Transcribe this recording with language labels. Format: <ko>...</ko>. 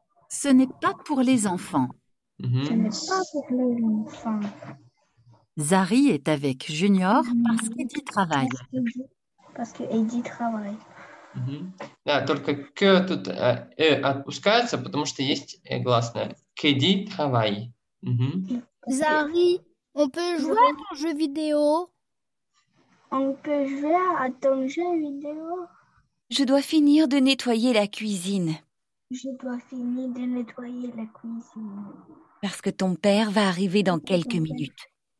<fr>Ce n'est pas pour les enfants. Ce n'est pas pour les enfants. Zari est avec Junior parce qu'il travaille. Parce que Eddie travaille.</fr> <ru>Да, только «к» тут отпускается, потому что есть гласное</ru> <fr>«кеди травай». Zari, on peut jouer à ton jeu vidéo? On peut jouer à ton jeu vidéo? Je dois finir de nettoyer la cuisine. Je dois finir de nettoyer la cuisine. Parce que ton père va arriver dans quelques minutes.</fr>